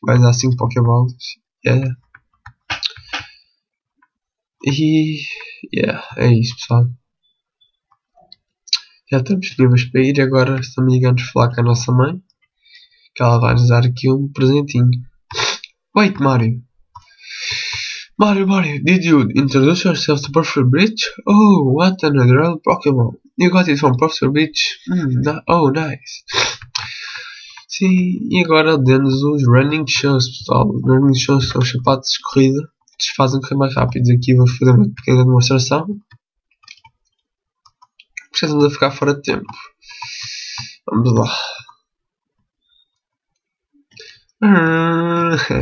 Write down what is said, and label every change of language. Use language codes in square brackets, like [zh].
[pt] Vais dar 5 Pokébolas. Yeah. E yeah, é isso, pessoal. Já estamos livres para ir. Agora estamos ligando a falar com a nossa mãe. Que ela vai nos dar aqui um presentinho. [en] Wait, Mario. Mario, did you introduce yourself to Perfect Bridge? Oh, what an adorable Pokémon. You got it from Professor Beach? Not, oh, nice. [pt] Sim, e agora demos os running shoes, pessoal. Os running shoes são os sapatos de corrida que se fazem correr mais rápido. Aqui vou fazer uma pequena demonstração. Porque estamos a ficar fora de tempo. Vamos lá.